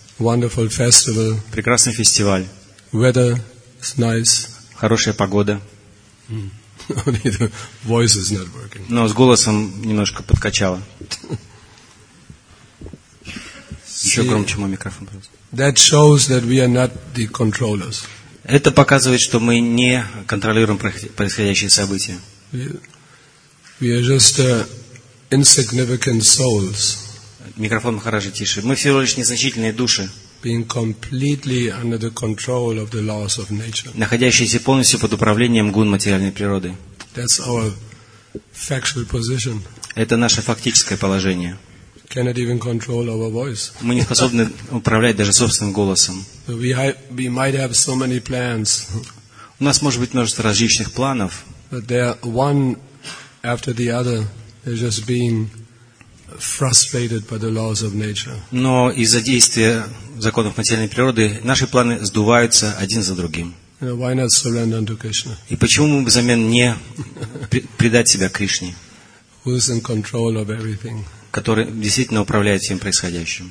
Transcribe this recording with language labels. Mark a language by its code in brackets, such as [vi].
[en] Wonderful festival. [ru] Прекрасный фестиваль. [en] Weather is nice. [ru] Хорошая погода. [en] The voice is not working. [ru] Но с голосом немножко подкачало. Еще громче мой микрофон, пожалуйста. [en] That shows that we are not the controllers. [ru] Это показывает, что мы не контролируем происходящие события. [en] We are just insignificant souls. [ru] Микрофон Махараджи, тише. Мы всего лишь незначительные души, находящиеся полностью под управлением гун материальной природы. [en] That's our factual position. [ru] Это наше фактическое положение. [en] Cannot even control our voice. [ru] Мы не способны управлять даже собственным голосом. [en] We might have so many plans. [ru] У нас может быть множество различных планов. [en] But they are one after the other. They're just being frustrated by the laws of nature. [ru] Но из-за действия законов материальной природы наши планы сдуваются один за другим. [en] Why not surrender to Krishna? [ru] И почему мы взамен не предать себя Кришне? [en] Who's in control of everything? [ru] Который действительно управляет всем происходящим.